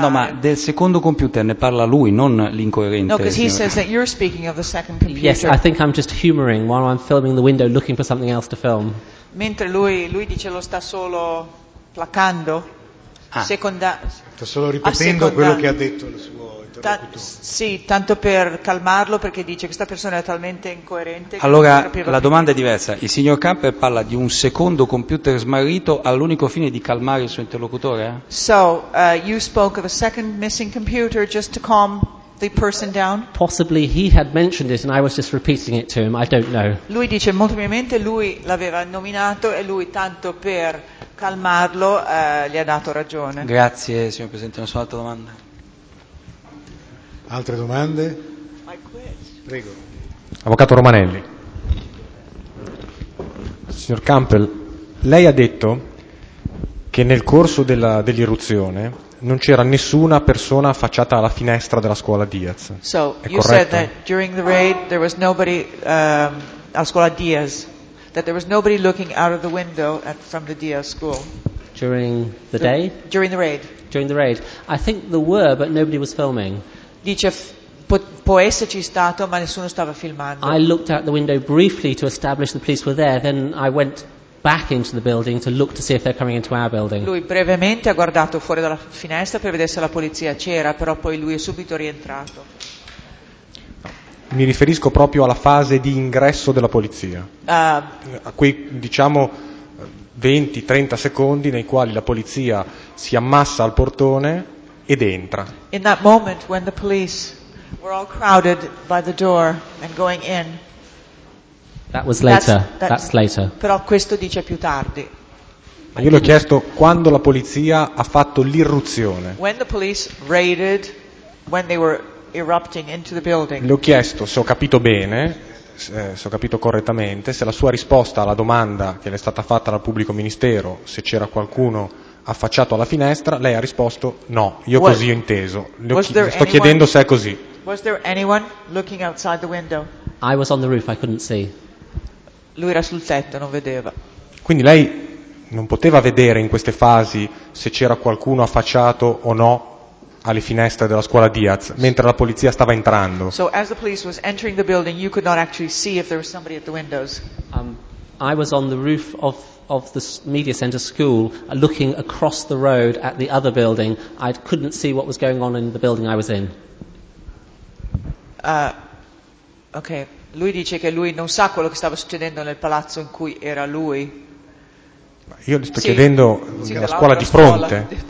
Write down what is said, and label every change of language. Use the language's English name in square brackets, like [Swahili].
[Italian] No, ma del secondo computer ne parla lui, non l'incoerente. [English] No, because he says that you're speaking of the second computer. Yes, I think I'm just humoring while I'm filming the window, looking for something else to film. [Italian] Mentre lui dice lo sta solo placando. Sto solo ripetendo quello che ha detto il suo interlocutore. Sì, tanto per calmarlo, perché dice questa persona è talmente incoerente. Allora, che la domanda è diversa. Il signor Camper parla di un secondo computer smarrito all'unico fine di calmare il suo interlocutore? [English] So, you spoke of a second missing computer just to calm the person down? Possibly he had mentioned it and I was just repeating it to him, I don't know. [Italian] Lui dice, molto probabilmente lui l'aveva nominato e lui tanto per calmarlo gli ha dato ragione. Grazie, signor Presidente. Non so, altra domanda? Altre domande? Prego. Avvocato Romanelli. Signor Campbell, lei ha detto che nel corso dell'irruzione non c'era nessuna persona affacciata alla finestra della scuola Diaz. [English] So, [Italian] è [English] you [Italian] corretto? [English] Said that during the raid there was nobody [Italian] alla scuola Diaz. [English] That there was nobody looking out of the window from the Diaz school. During the day? During the raid. During the raid. I think there were, but nobody was filming. [Italian] Dice, può esserci stato, ma nessuno stava filmando. [English] I looked out the window briefly to establish the police were there, then I went back into the building to look to see if they're coming into our building. [Italian] Lui brevemente ha guardato fuori dalla finestra per vedere se la polizia c'era, però poi lui è subito rientrato. Mi riferisco proprio alla fase di ingresso della polizia, a quei, diciamo, 20-30 secondi nei quali la polizia si ammassa al portone ed entra. [English] In that moment when the police were all crowded by the door and going in. That was later. That's later. [Italian] Però questo dice più tardi. Ma io le ho chiesto quando la polizia ha fatto l'irruzione. [English] When the police raided, when they were erupting into the building. [Italian] Le ho chiesto se ho capito bene, se ho capito correttamente, se la sua risposta alla domanda che le è stata fatta dal pubblico ministero, se c'era qualcuno affacciato alla finestra, lei ha risposto no, io what? Così ho inteso. Sto chiedendo se è così. [English] Was there anyone looking outside the window? I was on the roof, I couldn't see. [Italian] Lui era sul tetto, non vedeva. Quindi lei non poteva vedere in queste fasi se c'era qualcuno affacciato o no alle finestre della scuola Diaz mentre la polizia stava entrando. [English] So as the police was entering the building you could not actually see if there was somebody at the windows. I was on the roof of the media center school looking across the road at the other building. I couldn't see what was going on in the building I was in. [Italian] Okay, lui dice che lui non sa quello che stava succedendo nel palazzo in cui era lui. Io gli sto chiedendo nella scuola di fronte.